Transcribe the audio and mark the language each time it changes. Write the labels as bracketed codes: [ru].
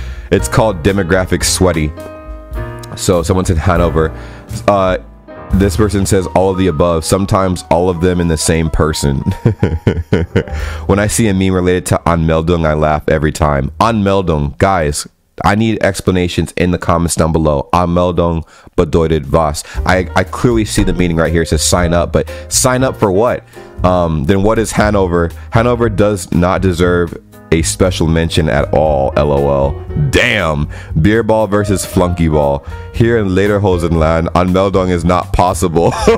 [en] It's called demographic sweaty. So someone said Hanover. This person says all of the above. Sometimes all of them in the same person. When I see a meme related to Anmeldung, I laugh every time. Anmeldung, guys. I need explanations in the comments down below. [de] Anmeldung bedeutet was. [en] I clearly see the meaning right here. It says sign up, but sign up for what? Then what is Hanover? Hanover does not deserve a special mention at all, lol. Damn. Beer ball versus flunky ball. Here in Lederhosenland, Anmeldung is not possible.